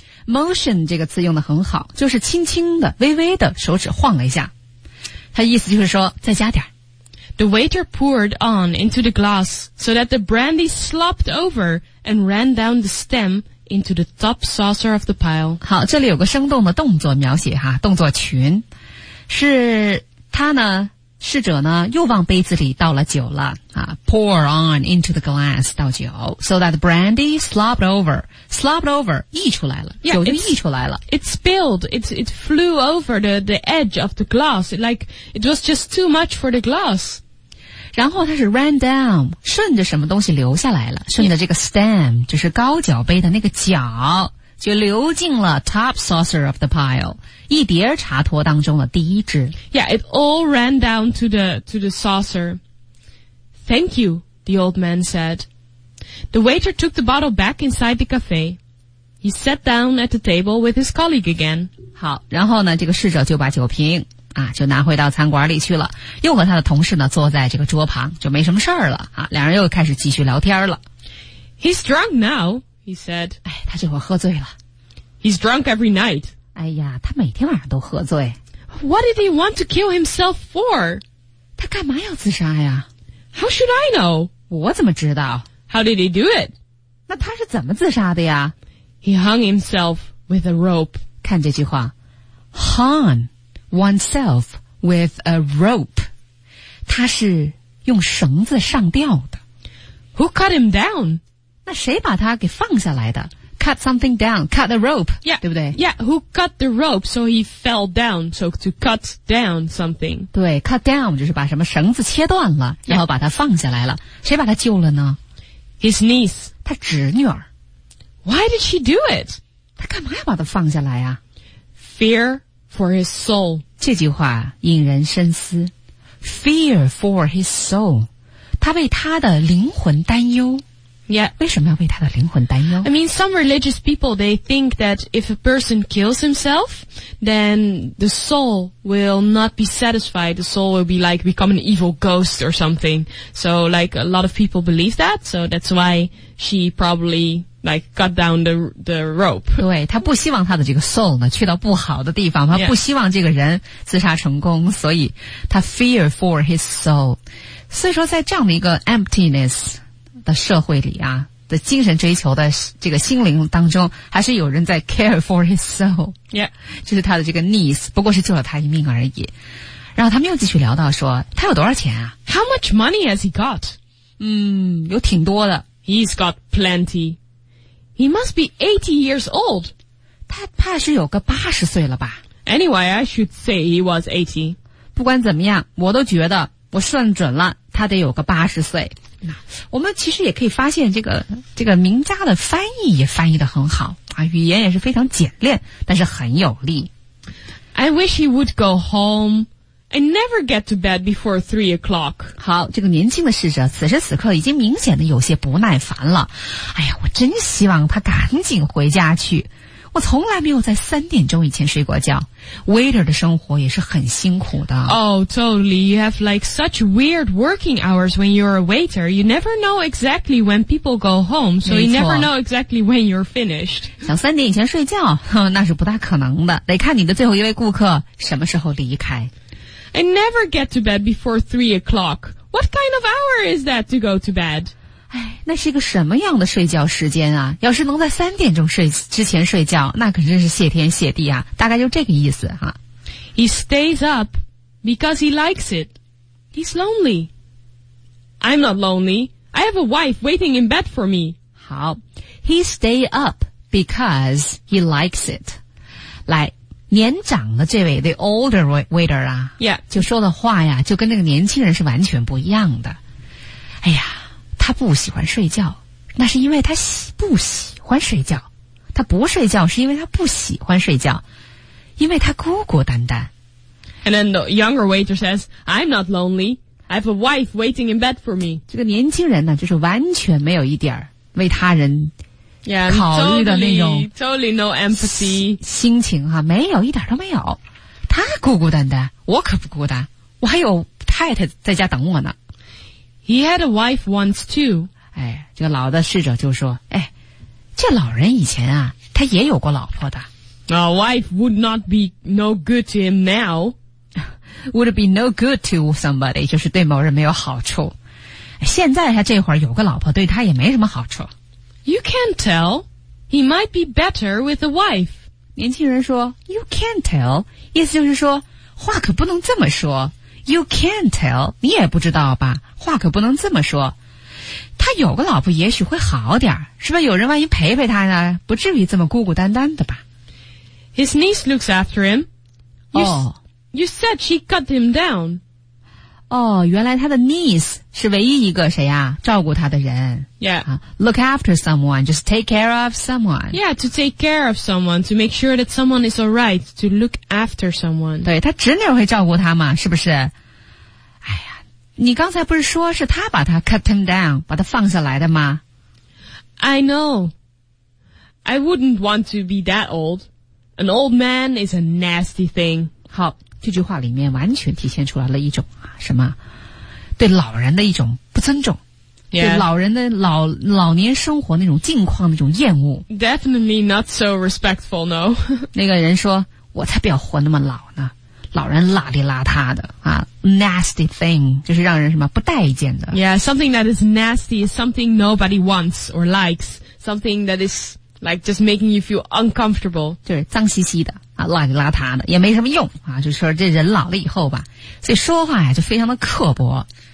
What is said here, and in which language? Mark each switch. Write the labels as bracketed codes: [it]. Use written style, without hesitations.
[zh] Motion 这个词用得很好，就是轻轻的、微微的手指晃了一下。他意思就是说，再加点。 [en] The waiter poured on into the glass so that the brandy slopped over and ran down the stem into the top saucer of the pile. [zh] 好，这里有个生动的动作描写哈，动作群。是他呢，侍者呢，又往杯子里倒了酒了啊。 [en] Pour on into the glass, [zh] 倒酒 [en] so that the brandy slopped over. Slopped over, [zh] 溢出来了。 [en] Yeah, [zh] 酒就溢出来了。 [en] It spilled, it flew over the edge of the glass. Like, it was just too much for the glass. [zh] 然后它是 [en] ran down, [zh] 顺着什么东西流下来了。顺着这个 stem, 就是高脚杯的那个脚就流进了 [en] top saucer of the pile, [zh] 一碟茶托当中的第一只。 [en] Yeah, it all ran down to the saucer. Thank you, the old man said. The waiter took the bottle back inside the cafe. He sat down at the table with his colleague again. [zh] 好，然后呢，这个侍者就把酒瓶啊，就拿回到餐馆里去了，又和他的同事呢坐在这个桌旁，就没什么事儿了啊，两人又开始继续聊天了。 [en] He's drunk now. He said, [zh] 哎，他这会儿喝醉了。 [en] He's drunk every night. [zh] 哎呀，他每天晚上都喝醉。 [en] What did he want to kill himself for? [zh] 他干嘛要自杀呀？ [en] How should I know? [zh] 我怎么知道？ [en] How did he do it? [zh] 那他是怎么自杀的呀？ [en] He hung himself with a rope. [zh] 看这句话。 [en] Hung oneself with a rope. [zh] 他是用绳子上吊的。 [en] Who cut him down? [zh] 那谁把他给放下来的 ？ [en] Cut something down, cut the rope. Yeah, [zh] 对不对 [en] ？Yeah, who cut the rope so he fell down? So to cut down something. [zh] 对 ， [en] cut down [zh] 就是把什么绳子切断了， [en] yeah. [zh] 然后把他放下来了。谁把他救了呢 [en] ？His niece, [zh] 他侄女儿。 [en] Why did she do it? [zh] 他干嘛要把他放下来啊 [en] ？Fear for his soul. [zh] 这句话引人深思。 [en] Fear for his soul. [zh] 他为他的灵魂担忧。 [en] Yeah. [zh] 为什么要为他的灵魂担忧? [en] I mean, some religious people, they think that if a person kills himself, then the soul will not be satisfied. The soul will be like become an evil ghost or something. So like a lot of people believe that. So that's why she probably like cut down the rope. [zh] 对，他不希望他的这个 soul 呢去到不好的地方，他不希望这个人自杀成功，所以他 [en] fear for his soul. [zh] 所以说在这样的一个 emptiness,的社会里啊的精神追求的这个心灵当中还是有人在 [en] care for his soul、 yeah. [zh] 就是他的这个 niece 不过是救了他一命而已然后他们又继续聊到说他有多少钱啊 [en] How much money has he got? [zh] 嗯有挺多的 [en] He's got plenty He must be 80 years old [zh] 他怕是有个80岁了吧 [en] Anyway I should say he was 80 [zh] 不管怎么样我都觉得我算准了他得有个80岁我们其实也可以发现这个名家的翻译也翻译得很好啊，语言也是非常简练但是很有力 [en] I wish he would go home I never get to bed before 3 o'clock [zh] 好这个年轻的侍者此时此刻已经明显的有些不耐烦了哎呀我真希望他赶紧回家去我从来没有在3点钟以前睡过觉 Waiter 的生活也是很辛苦的 [en] Oh, totally. You have like such weird working hours when you're a waiter. You never know exactly when people go home, so you never know exactly when you're finished. [zh] 想3点以前睡觉，那是不大可能的，得看你的最后一位顾客什么时候离开。 I never get to bed before 3 o'clock. What kind of hour is that to go to bed? 哎，那是一个什么样的睡觉时间啊？要是能在3点钟之前睡觉，那可真是谢天谢地啊！大概就这个意思哈。 [en] He stays up because he likes it. He's lonely. I'm not lonely. I have a wife waiting in bed for me. 好 ，He stays up because he likes it. [zh] 来，年长的这位 ， [en] the older waiter [zh] 啊 [en] ，Yeah， [zh] 就说的话呀，就跟那个年轻人是完全不一样的。哎呀。他不喜欢睡觉，那是因为他不喜欢睡觉。他不睡觉是因为他不喜欢睡觉，因为他孤孤单单。 [en] And then the younger waiter says, "I'm not lonely. I have a wife waiting in bed for me." [zh] 这个年轻人呢，就是完全没有一点为他人 [en] yeah, [zh] 考虑的那种 [en] totally no empathy [zh] 心情哈，没有，一点都没有。他孤孤单单，我可不孤单，我还有太太在家等我呢。 [en] He had a wife once too. [zh] 哎，这个老的侍者就说，哎，这老人以前啊，他也有过老婆的。 [en] A wife would not be no good to him now. Would be no good to somebody, [zh] 就是对某人没有好处。现在他这会儿有个老婆对他也没什么好处。 [en] You can't tell. He might be better with a wife. [zh] 年轻人说 , [en] You can't tell. [zh] 意思就是说话可不能这么说。 [en] You can't tell. [zh] 你也不知道吧，话可不能这么说。他有个老婆也许会好点，是不是有人万一陪陪他呢，不至于这么孤孤单单的吧。 [en] His niece looks after him. You said she cut him down. [zh] 哦，原来他的 niece 是唯一一个谁啊，照顾他的人。 [en] Yeah. Look after someone, just take care of someone. Yeah, to take care of someone, to make sure that someone is alright, to look after someone. [zh] 对，他侄女会照顾他嘛，是不是？哎呀，你刚才不是说是他把他 [en] cut him down, [zh] 把他放下来的吗？ [en] I know. I wouldn't want to be that old. An old man is a nasty thing. [zh] 好，这句话里面完全体现出来了一种什么对老人的一种不尊重、 [en] yeah. [zh] 对老人的老年生活那种境况那种厌恶。 [en] Definitely not so respectful, no. [zh] 那个人说我才不要活那么老呢，老人邋里邋遢的啊 , [en] nasty thing, [zh] 就是让人什么不待见的。 [en] Yeah, something that is nasty is something nobody wants or likes, something that is like just making you feel uncomfortable. [zh] 就是脏兮兮的。邋里邋遢的也没什么用啊，就说这人老了以后吧，所以说话呀就非常的刻薄。